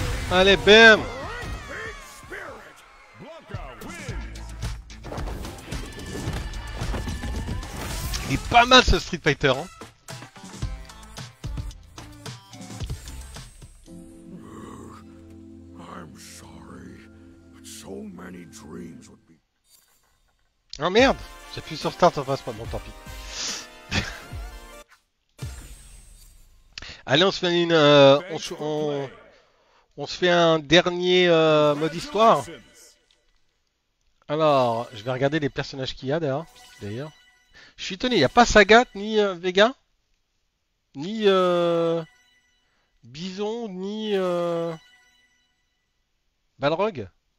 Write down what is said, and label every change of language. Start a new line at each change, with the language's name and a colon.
French: Allez, bam! Il est pas mal ce Street Fighter, hein.
English: I'm sorry, but so many dreams would be...
French: Oh merde! J'appuie sur Start en face, bon, tant pis. Allez, on se fait une... On se fait un dernier mode histoire. Alors, je vais regarder les personnages qu'il y a d'ailleurs. Je suis étonné, il n'y a pas Sagat, ni Vega, ni Bison, ni Balrog.